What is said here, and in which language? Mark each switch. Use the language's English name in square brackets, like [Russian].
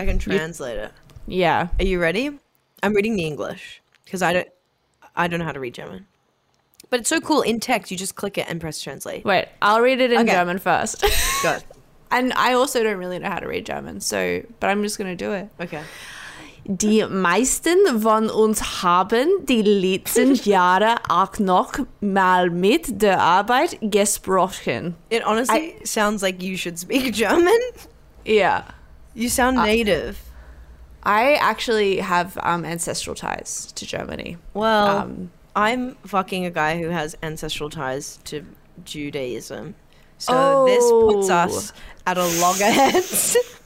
[English] I can translate it. Yeah. Are you ready? I'm reading the English because I don't know how to read German. But it's so cool. In text, you just click it and press translate. Wait, I'll read it in German first. Go ahead. And I also don't really know how to read German, so, but I'm just going to do it. Okay. [German] Die meisten von uns haben die letzten Jahre auch noch mal mit der Arbeit gesprochen. [English] It honestly sounds like you should speak German. Yeah. You sound native. I actually have ancestral ties to Germany. Well... I'm fucking a guy who has ancestral ties to Judaism. So this puts us at a loggerheads.